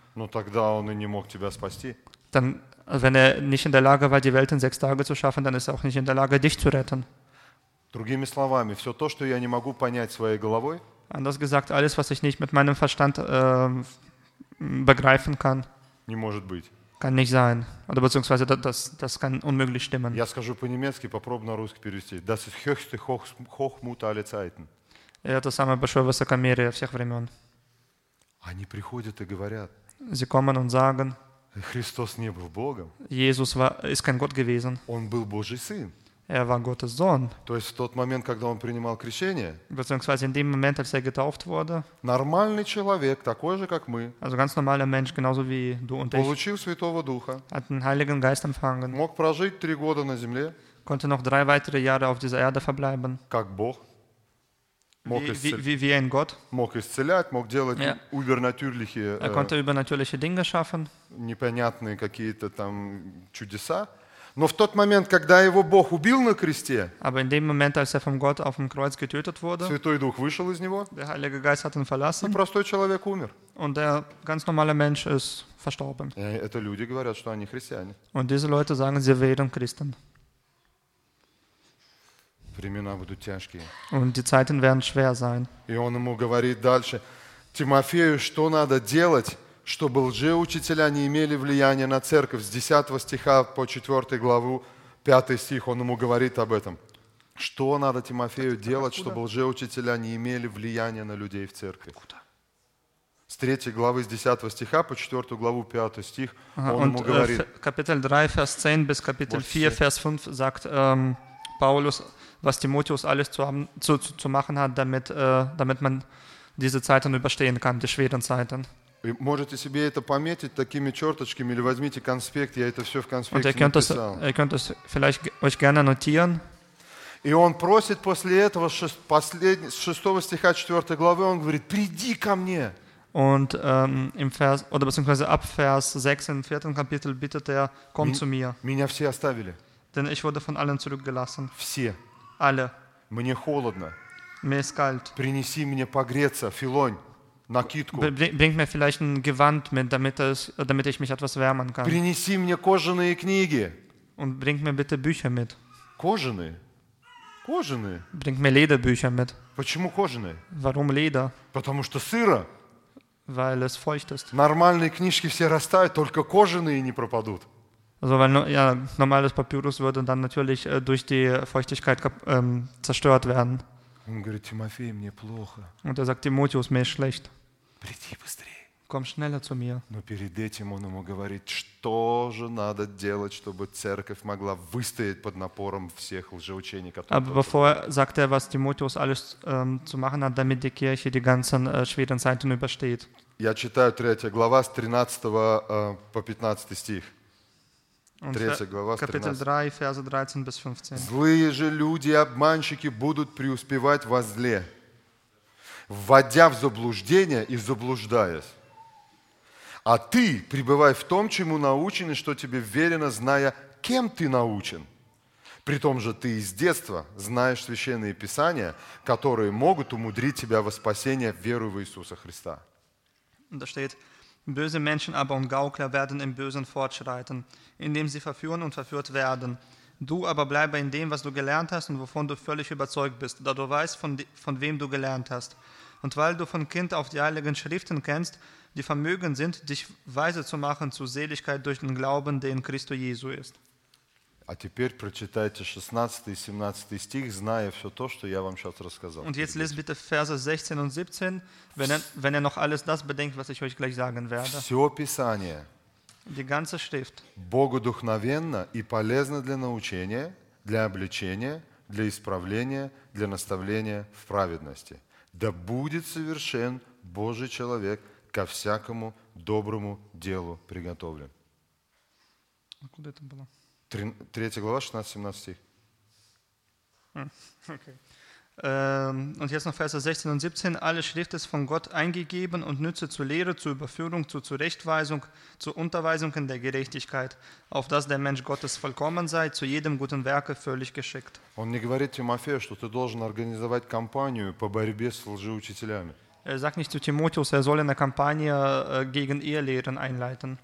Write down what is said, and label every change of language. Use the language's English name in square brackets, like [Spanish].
[Russian] Но тогда он и не мог тебя спасти. [German] Dann, wenn er nicht in der Lage war, die Welt in sechs Tage zu schaffen, dann ist er auch nicht in der Lage, dich zu retten. [Russian] Другими словами, все то, что я не могу понять своей головой. [German] Anders gesagt, alles, was ich nicht mit meinem Verstand begreifen kann. [Russian] Не может быть. [German] Kann nicht sein. Oder beziehungsweise das kann unmöglich stimmen. [Russian] Я скажу по-немецки, попробую на русский перевести. [German] Das ist höchste Hochmut aller Zeiten. [Russian] Это самое большое высокомерие всех времен. Они приходят и говорят. [German] Sie kommen und sagen. [Russian] Христос не был Богом. [German] Jesus ist kein Gott gewesen. [Russian] Он был Божий Сын. [German] Er war Gottes Sohn. [Russian] То есть в тот момент, когда он принимал крещение, [German] beziehungsweise in dem Moment, als er getauft wurde, [Russian] нормальный человек, такой же, как мы, [German] also ganz normaler Mensch, genauso wie du und [Russian] получил [German] ich, [Russian] Святого Духа, [German] hat den Heiligen Geist empfangen, [Russian] мог прожить три года на земле, [German] konnte noch drei weitere Jahre auf dieser Erde verbleiben, [Russian] как Бог, [German] wie ein Gott. [Russian] Мог исцелять, мог делать übernatürliche, [German] er konnte übernatürliche Dinge schaffen. [Russian] Непонятные какие-то там чудеса. Но в тот момент, когда его Бог убил на кресте, [German] aber in dem Moment, als er vom Gott auf dem Kreuz getötet wurde, [Russian] Святой Дух вышел из него, [German] der Heilige Geist hat ihn verlassen, [Russian] и простой человек умер. [German] Und der ganz normale Mensch ist verstorben. [Russian] И это люди говорят, что они христиане. [German] Und diese Leute sagen, sie wären Christen. [Russian] Времена будут тяжкие. [German] Und die Zeiten werden schwer sein. [Russian] И он ему говорит дальше, Тимофею, что надо делать, чтобы лжеучителя не имели влияния на церковь. С 10 стиха по 4 главу, 5 стих, он ему говорит об этом. Что надо Тимофею делать, чтобы лжеучителя не имели влияния на людей в церкви? Откуда? С 3 главы, с 10 стиха по 4 главу, 5 стих, он ему говорит. [German] Капитель 3, vers 10, bis Капитель 4, vers 5, sagt Paulus, was Timotheus alles zu machen hat, damit man diese Zeiten überstehen kann, die schweren Zeiten. [Russian] И можете себе это пометить такими черточками или возьмите конспект, я это все в конспекте написал. [German] Ihr könnt das vielleicht euch gerne notieren. [Russian] И он просит после этого, с 6 стиха 4 главы, он говорит, приди ко мне. [German] Und im Vers, oder beziehungsweise ab Vers 6 im 4. Kapitel bittet er, komm zu mir. [Russian] Меня все оставили. [German] Denn ich wurde von allen zurückgelassen. [Russian] Все. [German] Alle. [Russian] Мне холодно. [German] Mir ist kalt. [Russian] Принеси мне погреться, Филонь. [German] Bring mir vielleicht ein Gewand mit, damit ich mich etwas wärmen kann. [Russian] Принеси мне кожаные книги. [German] Und bring mir bitte Bücher mit. [Russian] Кожаные? Кожаные? [German] Bring mir Lederbücher mit. [Russian] Почему кожаные? [German] Warum Leder? [Russian] Потому что сыро. [German] Weil es feucht ist. [Russian] Нормальные книжки все растают, только кожаные не пропадут. [German] Also, weil normales Papyrus würde dann natürlich durch die Feuchtigkeit zerstört werden. [Russian] Он говорит, Тимофей, мне плохо. [German] Und er sagt, Timotheus, mir ist schlecht. [Russian] Приди быстрее. [German] Komm schneller zu mir. [Russian] Но перед этим он ему говорит, что же надо делать, чтобы церковь могла выстоять под напором всех лжеучений, которые... [German] Aber bevor sagt er, was Timotheus alles zu machen hat, damit die Kirche die ganzen schweren Zeiten übersteht. [Russian] Я читаю 3 глава с 13 по 15 стих. [German] Капитель 3, verse 13 bis 15. [Russian] Злые же люди и обманщики будут преуспевать во зле, вводя в заблуждение и заблуждаясь. А ты пребывай в том, чему научен и что тебе верено, зная, кем ты научен. Притом же ты из детства знаешь священные писания, которые могут умудрить тебя во спасение веру в Иисуса Христа. Да стоит. [German] Böse Menschen aber und Gaukler werden im Bösen fortschreiten, indem sie verführen und verführt werden. Du aber bleibe in dem, was du gelernt hast und wovon du völlig überzeugt bist, da du weißt, von wem du gelernt hast. Und weil du von Kind auf die heiligen Schriften kennst, die vermögen sind, dich weise zu machen zur Seligkeit durch den Glauben, der in Christo Jesu ist. [Russian] А теперь прочитайте 16 и 17 стих, зная все то, что я вам сейчас рассказал. [German] Und jetzt lest bitte Verse 16 und 17, wenn ihr noch alles das bedenkt, was ich euch gleich sagen werde. [Russian] Все Писание. [German] Die ganze Schrift. [Russian] Богодухновенно и полезно для научения, для обличения, для исправления, для наставления в праведности. Да будет совершен Божий человек ко всякому доброму делу приготовлен. А куда это было? 3 глава, 16-17 стих. Okay. [German] Und jetzt noch Verse 16 und 17. Alle Schrift ist von Gott eingegeben und nütze zur Lehre, zur Überführung, zur Zurechtweisung, zur Unterweisung in der Gerechtigkeit, auf dass der Mensch Gottes vollkommen sei, zu jedem guten Werke völlig geschickt. [Russian] Он не говорит Тимофею, что ты должен организовать кампанию по борьбе с лжеучителями. [German] Er sagt nicht zu Timotheus, er soll eine Kampagne gegen Irrlehren einleiten.